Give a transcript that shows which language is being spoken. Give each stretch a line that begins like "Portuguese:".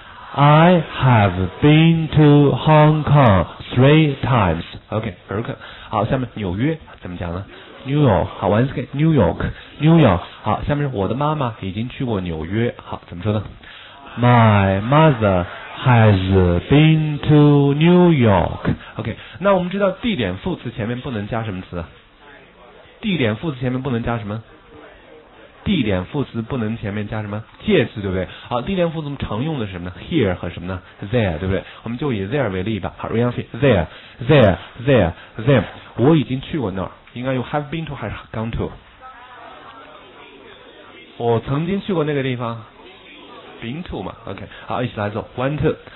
English: I have been to Hong Kong 3 times. OK， 尔克。
Chinese: 好，下面纽约怎么讲呢 ？New York。好 ，
English: once again，
Chinese: New York， New York。好，下面是我的妈妈已经去过纽约。好，怎么说呢
English: ？My mother has been to New York.
Chinese: OK， 那我们知道地点副词前面不能加什么词？地点副词前面不能加什么？地点副词不能前面加什么介词，对不对？好，地点副词常用的是什么呢 ？Here 和什么呢 ？There， 对不对？我们就以 there 为例吧。好 ，Ryanfi， there， them， 我已经去过那儿，应该用
English: have been to
Chinese: 还是
English: gone to？
Chinese: 我曾经去过那个地方 ，
English: been to
Chinese: 嘛 ？OK， 好，一起来做
English: one two，